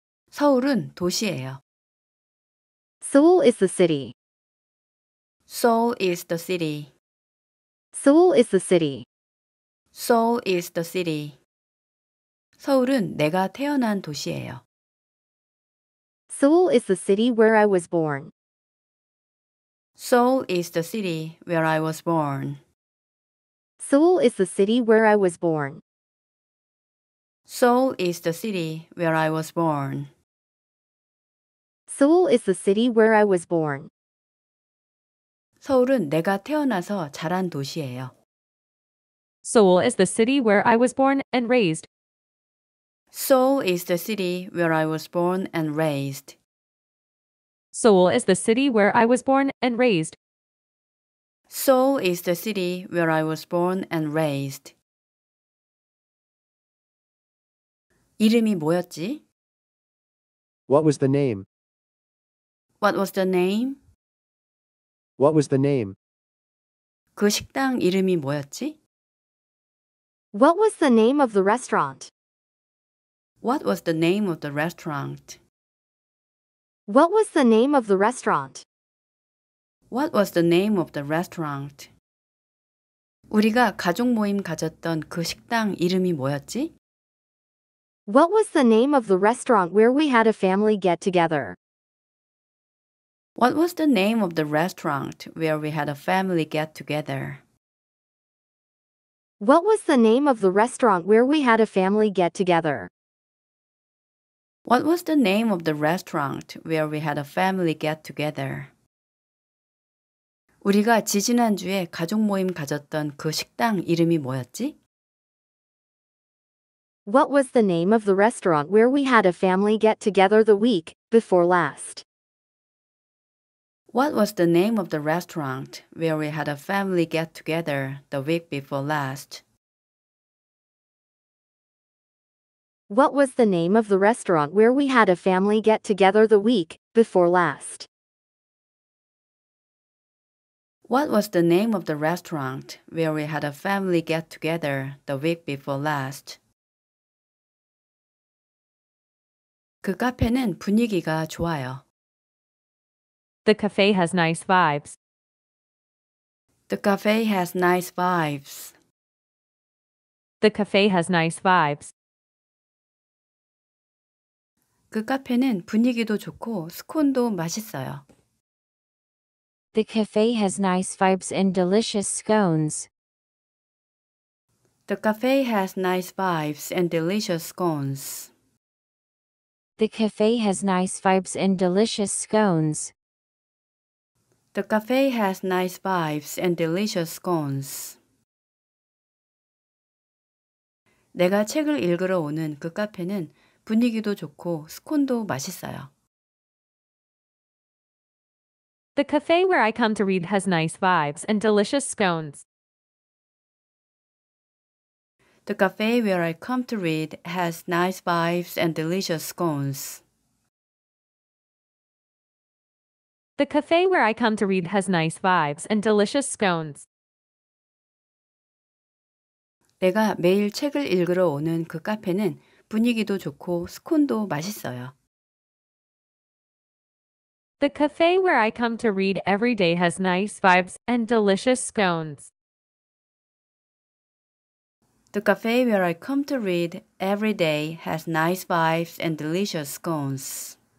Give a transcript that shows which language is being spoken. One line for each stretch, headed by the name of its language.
Korean: 서울은 도시예요.
English: Seoul is the city. Seoul is the city. Seoul is the city. Seoul is the city.
Korean: 서울은 내가 태어난 도시예요.
English: Seoul is the city where I was born. Seoul is the city where I was born. Seoul is the city where I was born. Seoul is the city where I was born. Seoul is the city where I was born.
Korean: 서울은 내가 태어나서 자란 도시예요.
English: Seoul is the city where I was born and raised. Seoul is the city where I was born and raised. Seoul is the city where I was born and raised. Seoul is the city where I was born and raised.
Korean: 이름이 뭐였지?
English: What was the name? What was the name? What was the name?
Korean: 그 식당 이름이 뭐였지?
English: What was the name of the restaurant? What was the name of the restaurant? What was the name of the restaurant? What was the name of the restaurant?
Korean: 우리가 가족 모임 가졌던 그 식당 이름이 뭐였지?
English: What was the name of the restaurant where we had a family get together? What was the name of the restaurant where we had a family get together? What was the name of the restaurant where we had a family get together? What was the name of the restaurant where we had a family get together?
Korean: 우리가 지지난주에 가족 모임 가졌던 그 식당 이름이 뭐였지?
English: What was the name of the restaurant where we had a family get together the week before last? What was the name of the restaurant where we had a family get together the week before last? What was the name of the restaurant where we had a family get together the week before last? What was the name of the restaurant where we had a family get together the week before last?
Korean: 그 카페는 분위기가 좋아요.
English: The cafe has nice vibes. The cafe has nice vibes. The cafe has nice vibes.
Korean: 그 카페는 분위기도 좋고 스콘도 맛있어요.
English: The cafe has nice vibes and delicious scones. The cafe has nice vibes and delicious scones. The cafe has nice vibes and delicious scones. The cafe has nice vibes and delicious scones.
Korean: 내가 책을 읽으러 오는 그 카페는 분위기도 좋고 스콘도 맛있어요.
English: The cafe where I come to read has nice vibes and delicious scones. The cafe where I come to read has nice vibes and delicious scones. The cafe where I come to read has nice vibes and delicious scones.
Korean: 내가 매일 책을 읽으러 오는 그 카페는 분위기도 좋고 스콘도 맛있어요.
English: The cafe where I come to read every day has nice vibes and delicious scones. The cafe where I come to read every day has nice vibes and delicious scones.